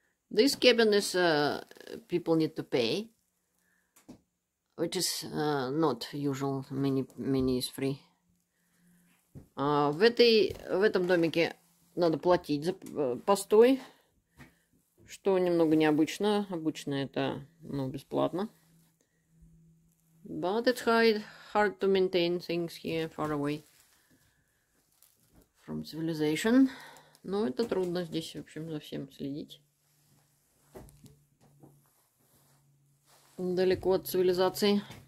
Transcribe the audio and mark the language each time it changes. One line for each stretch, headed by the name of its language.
English: This cabin is people need to pay, which is not usual. Many is free.
Russian: В этом домике надо платить за постой, что немного необычно. Обычно это бесплатно.
English: But it's hard to maintain things here far away from civilization.
Russian: Но это трудно здесь, в общем, за всем следить. Далеко от цивилизации.